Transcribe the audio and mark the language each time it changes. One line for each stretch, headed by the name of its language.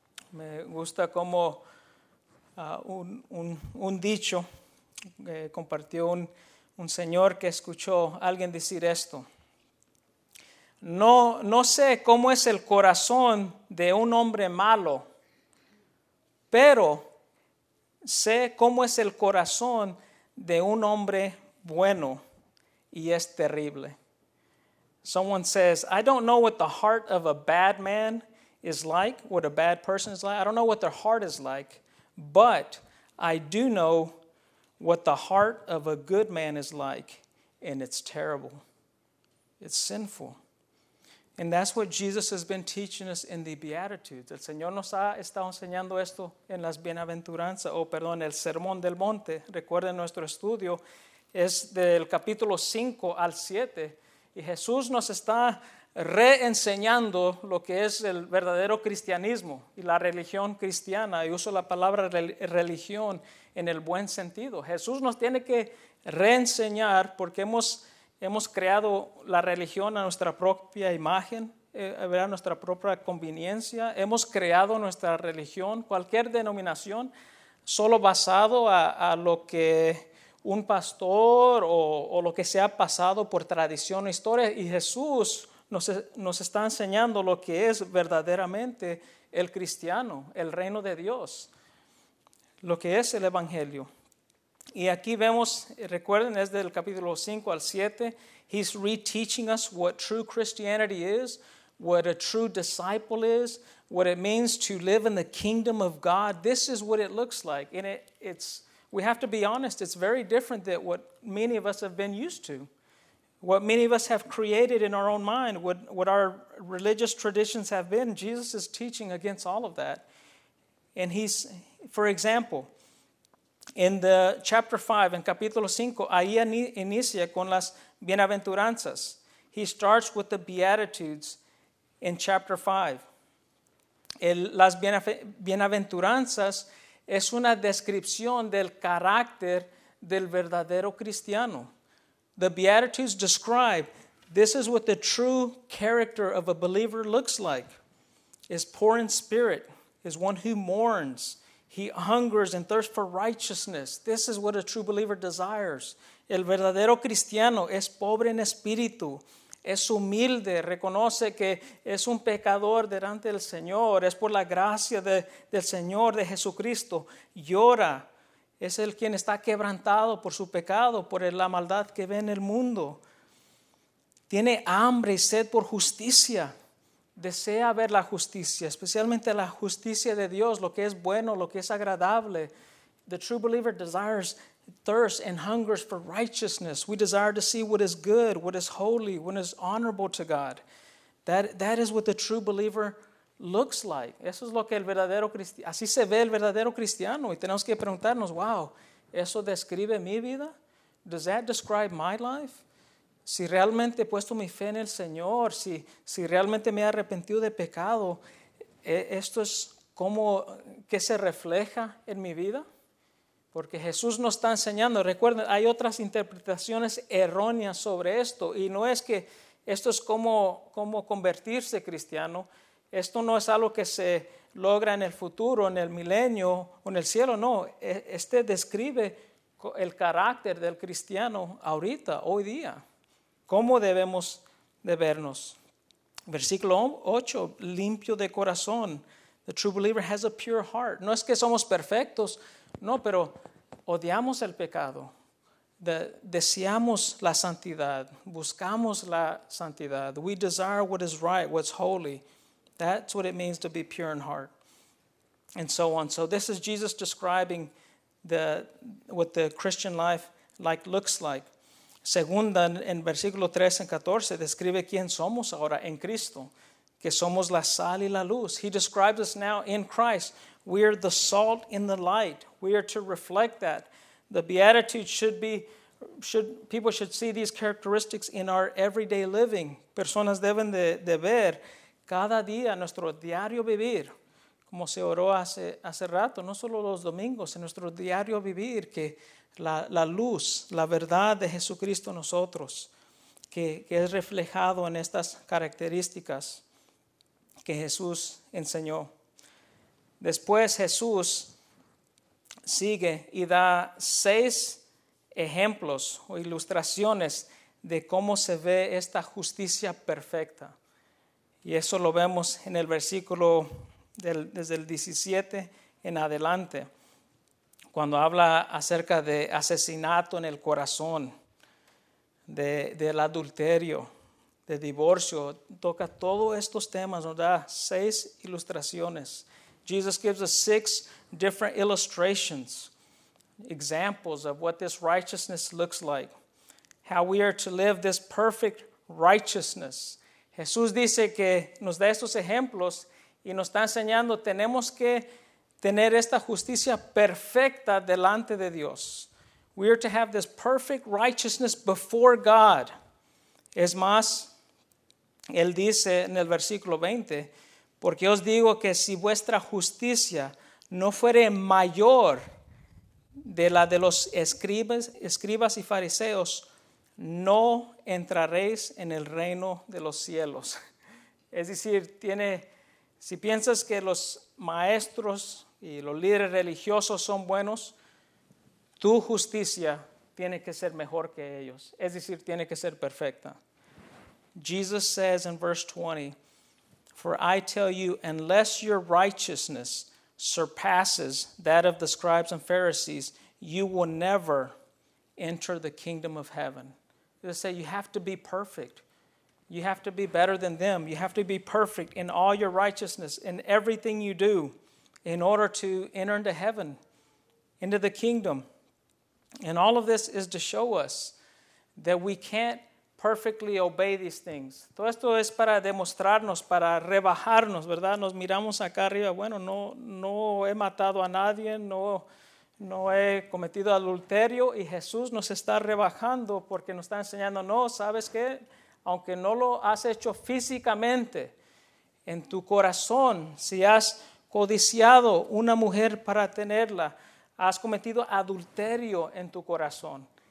Spanish: Me gusta como un dicho que compartió un señor que escuchó a alguien decir esto. No sé cómo es el corazón de un hombre malo, pero sé cómo es el corazón de un hombre bueno, y es terrible.
English: Someone says, I don't know what the heart of a bad man is like, what a bad person is like. I don't know what their heart is like, but I do know what the heart of a good man is like, and it's terrible. It's sinful. And that's what Jesus has been teaching us in the Beatitudes.
Spanish: El Señor nos ha estado enseñando esto en las Bienaventuranzas, el Sermón del Monte. Recuerden nuestro estudio. Es del capítulo 5 al 7, y Jesús nos está reenseñando lo que es el verdadero cristianismo y la religión cristiana, y uso la palabra religión en el buen sentido. Jesús nos tiene que reenseñar porque hemos creado la religión a nuestra propia imagen, a nuestra propia conveniencia. Hemos creado nuestra religión, cualquier denominación, solo basado a lo que un pastor o lo que sea pasado por tradición o historia. Y Jesús nos está enseñando lo que es verdaderamente el cristiano, el reino de Dios, lo que es el evangelio. Y aquí vemos, recuerden, es del capítulo 5 al 7.
English: He's reteaching us what true Christianity is, what a true disciple is, what it means to live in the kingdom of God. This is what it looks like. And we have to be honest, it's very different than what many of us have been used to. what many of us have created in our own mind, what our religious traditions have been. Jesus is teaching against all of that. And he's, for example, in the chapter 5, in
Spanish: capítulo 5, ahí inicia con las bienaventuranzas.
English: He starts with the Beatitudes in chapter 5.
Spanish: Las bienaventuranzas es una descripción del carácter del verdadero cristiano.
English: The Beatitudes describe, this is what the true character of a believer looks like. Is poor in spirit, is one who mourns. He hungers and thirsts for righteousness. This is what a true believer desires.
Spanish: El verdadero cristiano es pobre en espíritu. Es humilde, reconoce que es un pecador delante del Señor. Es por la gracia del Señor, de Jesucristo. Llora. Es el quien está quebrantado por su pecado, por la maldad que ve en el mundo. Tiene hambre y sed por justicia. Desea ver la justicia, especialmente la justicia de Dios, lo que es bueno, lo que es agradable.
English: The true believer desires, thirsts, and hungers for righteousness. We desire to see what is good, what is holy, what is honorable to God. That is what the true believer looks like.
Spanish: Eso es lo que el verdadero cristiano, así se ve el verdadero cristiano. Y tenemos que preguntarnos, wow, ¿eso describe mi vida?
English: Does that describe my life?
Spanish: Si realmente he puesto mi fe en el Señor, si realmente me he arrepentido de pecado, esto es como que se refleja en mi vida. Porque Jesús nos está enseñando. Recuerden, hay otras interpretaciones erróneas sobre esto. Y no es que esto es como convertirse cristiano. Esto no es algo que se logra en el futuro, en el milenio o en el cielo. No, este describe el carácter del cristiano ahorita, hoy día. ¿Cómo debemos de vernos? Versículo 8, limpio de corazón. The true believer has a pure heart. No es que somos perfectos, no, pero odiamos el pecado. Deseamos la santidad, buscamos la santidad.
English: We desire what is right, what's holy. That's what it means to be pure in heart. And so on. So this is Jesus describing what the Christian life like looks like.
Spanish: Segunda, en versículo 13 y 14, describe quién somos ahora en Cristo, que somos la sal y la luz.
English: He describes us now in Christ. We are the salt and the light. We are to reflect that. The Beatitudes people should see these characteristics in our everyday living.
Spanish: Personas deben de ver cada día nuestro diario vivir, como se oró hace rato, no solo los domingos, en nuestro diario vivir, que la luz, la verdad de Jesucristo en nosotros, que es reflejado en estas características que Jesús enseñó. Después Jesús sigue y da 6 ejemplos o ilustraciones de cómo se ve esta justicia perfecta. Y eso lo vemos en el versículo desde el 17 en adelante, cuando habla acerca de asesinato en el corazón, del adulterio, de divorcio. Toca todos estos temas, nos da 6 ilustraciones.
English: Jesus gives us 6 different illustrations, examples of what this righteousness looks like, how we are to live this perfect righteousness.
Spanish: Jesús dice que nos da estos ejemplos y nos está enseñando, tenemos que tener esta justicia perfecta delante de Dios.
English: We are to have this perfect righteousness before God.
Spanish: Es más, Él dice en el versículo 20, porque os digo que si vuestra justicia no fuere mayor de la de los escribas y fariseos, no entraréis en el reino de los cielos. Es decir, si piensas que los maestros y los líderes religiosos son buenos, tu justicia tiene que ser mejor que ellos. Es decir, tiene que ser perfecta.
English: Jesus says in verse 20, for I tell you, unless your righteousness surpasses that of the scribes and Pharisees, you will never enter the kingdom of heaven. They say you have to be perfect. You have to be better than them. You have to be perfect in all your righteousness, in everything you do, in order to enter into heaven, into the kingdom. And all of this is to show us that we can't perfectly obey these things.
Spanish: Todo esto es para demostrarnos, para rebajarnos, ¿verdad? Nos miramos acá arriba. Bueno, no he matado a nadie, no he cometido adulterio. Y Jesús nos está rebajando porque nos está enseñando, no, ¿sabes qué? Aunque no lo has hecho físicamente, en tu corazón, si has codiciado una mujer para tenerla, has cometido adulterio en tu corazón.